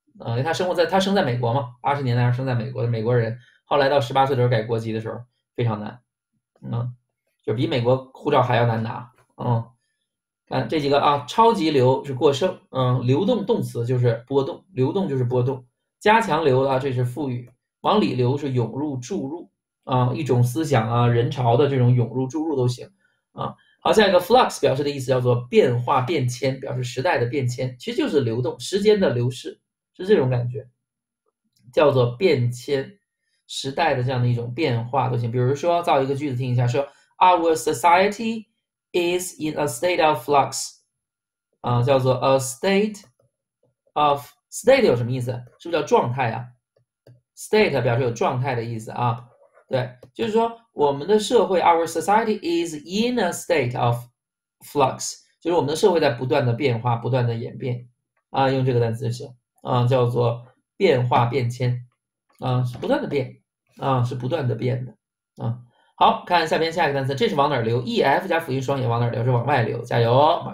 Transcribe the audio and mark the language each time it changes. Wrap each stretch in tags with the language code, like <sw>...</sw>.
<zh>因为他生在美国嘛，80年代生在美国的美国人，后来到18岁的时候改国籍的时候非常难，就比美国护照还要难拿，看这几个啊，超级流是过剩，流动动词就是波动，流动就是波动，加强流啊这是富裕，往里流是涌入注入啊，一种思想啊人潮的这种涌入注入都行啊。好，下一个 flux 表示的意思叫做变化变迁，表示时代的变迁，其实就是流动时间的流逝。是这种感觉，叫做变迁，时代的这样的一种变化都行。比如说，造一个句子听一下，说</zh> <en>Our society is in a state of flux，</en> <zh>叫做</zh> <en>a state of state</en> <zh>有什么意思？是不是叫状态啊？state 表示有状态的意思啊。对，就是说我们的社会</zh> <en>Our society is in a state of flux，</en> <zh>就是我们的社会在不断的变化，不断的演变啊，用这个单词就行。叫做变化变迁，是不断的变，是不断的变的，好，看下边下一个单词，这是往哪儿流？ef 加辅音双引往哪儿流？是往外流，加油！</zh>